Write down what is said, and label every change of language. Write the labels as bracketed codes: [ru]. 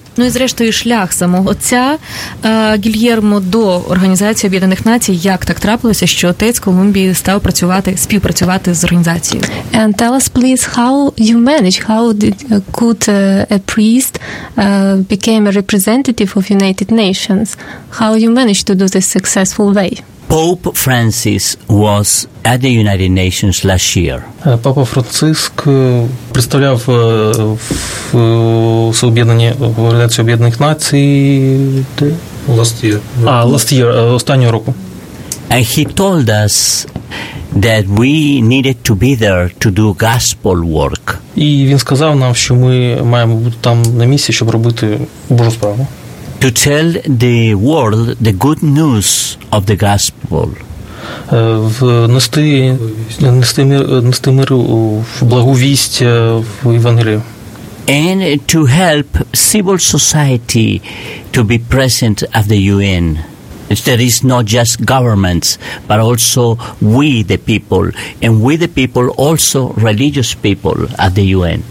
[uk] Ну і зрештою шлях самого отця Гільєрмо до Організації Об'єднаних Націй. Як так трапилося, що отець Колумбії став співпрацювати з організацією? [en] And tell us please how you manage, how did could a priest became a representative of United Nations? How you managed to do this successful way? Pope Francis was at the United Nations last year. [uk] Папа Франциск представляв в Об'єднані Організації Об'єднаних Націй [en] last year, [uk] останнього року. [en] And he told us that we needed to be there to do gospel work. [uk] І він сказав нам, що ми маємо бути там на місці, щоб робити Божу справу. [en] To tell the world the good news of the gospel. [uk] Нести мир в благовість в Євангелію. [en] And to help civil society to be present at the UN. There is not just governments, but also we the people, and we the people also religious people at the UN.